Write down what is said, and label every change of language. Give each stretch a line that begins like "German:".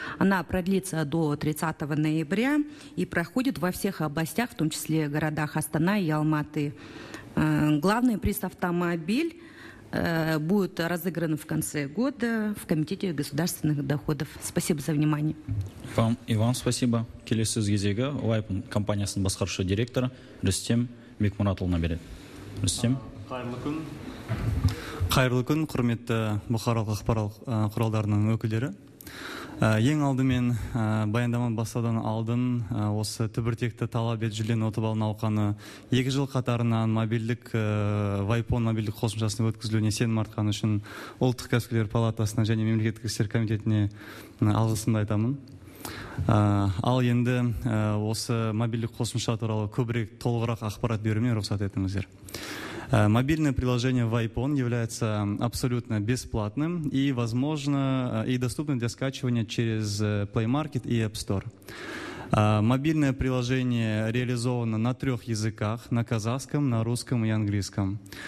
Russian: Она продлится до 30 ноября и проходит во всех областях, в том числе городах Астана и Алматы. Главный приз «Автомобиль» будет разыграны в конце года в Комитете государственных доходов. Спасибо за внимание. Вам и вам спасибо.
Kazakh: Келесіз кезегі Вайпн компаниясының басқарушы директоры Рустем Бекмұратұлына береді. Рустем. Қайырлы күн. Қайырлы күн, құрметті бұқаралық ақпараттық құралдарының өкілдері. Ең алдымен баяндаманы бастаудан алдын осы түбіртекті талап ет жүлден ұтып ал науқаны 2 жыл қатарынан мобильдік Вайпон мобильдік қосымшасының өткізілуіне сенім артқан үшін Ұлттық кәсіпкерлер палатасына және мемлекеттік істер комитетіне алғысымды айтамын. Ал енді осы мобильдік қосымша туралы көбірек толығырақ ақпарат беруіме рұқсат етіңіздер.
Russian: Мобильное приложение Вайпон является абсолютно бесплатным и возможно и доступно для скачивания через Play Market и App Store. Мобильное приложение реализовано на 3 языках: на казахском, на русском и английском.